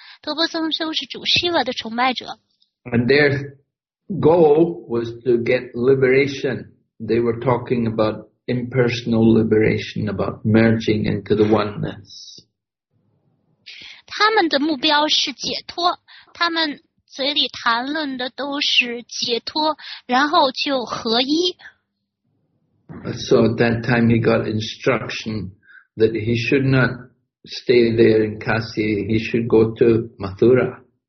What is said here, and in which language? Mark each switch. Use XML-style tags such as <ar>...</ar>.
<zh>因为这个婆罗门并没有受到这些仪式和婆罗门的吸引，于是他就继续来到了下一个地方，喀西，也就是贝纳勒斯这个地方。在那里呢，他又跟很多的托钵僧联谊。这些当地的托钵僧都是主Shiva的崇拜者。</zh> <en>And there goal was to get liberation. They were talking about impersonal liberation, about merging into the oneness.</en> <zh>他们的目标是解脱，他们嘴里谈论的都是解脱，然后就合一。</zh> <en>So at that time he got instruction that he should not stay there in Kasi, he should go to Mathura.</en>